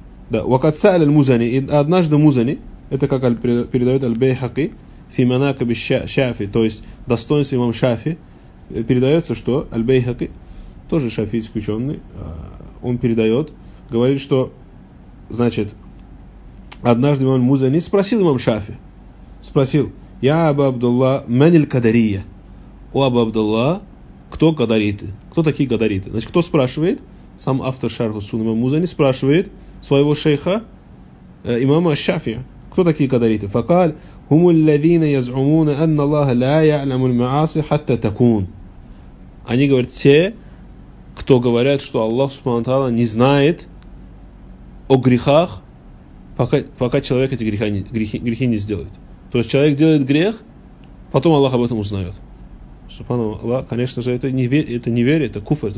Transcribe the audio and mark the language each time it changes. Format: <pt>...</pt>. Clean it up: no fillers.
<ru>Да,</ru> <ar>وقد سأل المزني,</ar> <ru>однажды Музани, это как передает Аль-Бейхаки</ru> <ar>في مناقب الشافعي,</ar> <ru>то есть достоинство имам Шафи, передается, что Аль-Бейхаки, тоже шафийский ученый, он передает, говорит, что, значит, однажды имам Музани спросил имам Шафи, спросил:</ru> <ar>«Я Аба Абдулла, мен Аль-Кадария?» «У Аба Абдулла,</ar> <ru>кто кадариты?» Кто такие кадариты? Значит, кто спрашивает? Сам автор Шарху Сунна, имам Музани, спрашивает своего шейха, имама Шафия, кто такие кадариты?</ru> <ar>Факал هم الذين يزعمون أن الله لا يعلم المعاصي حتى تكون.</ar> <ru>Они говорят, те, кто говорят, что Аллах Субхану Тааля не знает о грехах, пока человек эти грехи не сделает. То есть человек делает грех, потом Аллах об этом узнает. Субхану Аллах, конечно же, это не верит, это куфр.</ru>